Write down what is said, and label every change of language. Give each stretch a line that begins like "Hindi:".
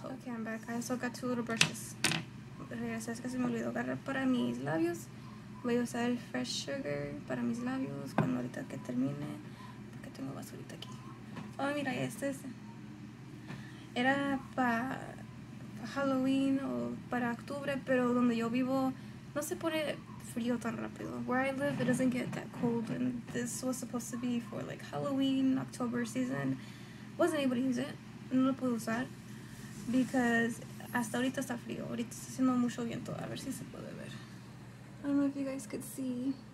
English: Okay, I'm back. I also got two little brushes.
Spanish: Regresé, es que se me olvidó agarrar para mis labios. Voy a usar el fresh sugar para mis labios cuando ahorita que termine. Porque tengo basurita aquí. Oh, mira, este es. Era para Halloween o para octubre, pero donde yo vivo no se pone frío tan rápido.
English: Where I live, it doesn't get that cold. And this was supposed to be for like Halloween, October season. Wasn't able to use it.
Spanish: No lo pude usar.
English: Because
Spanish: hasta ahorita está frío. Ahorita está haciendo mucho viento. A ver si se puede ver.
English: I don't know if you guys could see.